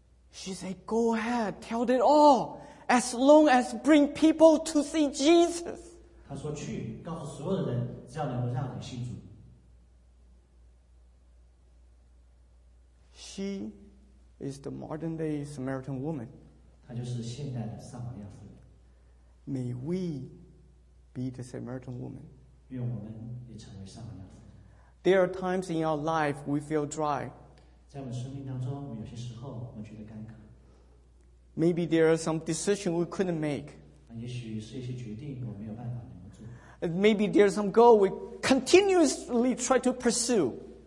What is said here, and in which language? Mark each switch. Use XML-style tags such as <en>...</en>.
<en>She said, "Go ahead, tell it all, as long as bring people to see Jesus."</en> <zh>他说去告诉所有的人，只要能够让人信主。</zh> <en>She is the modern day Samaritan woman.</en> <zh>她就是现代的撒玛利亚妇人。</zh> <en>May we be the Samaritan woman.</en> <zh>愿我们也成为撒玛利亚妇人。</zh> <en>There are times in our life we feel dry.</en> <zh>在我们生命当中，有些时候我觉得干渴。</zh> <en>Maybe there are some decisions we couldn't make.</en> <zh>也许是一些决定我没有办法。</zh> <en>Maybe there's some goal we continuously try to pursue.</en>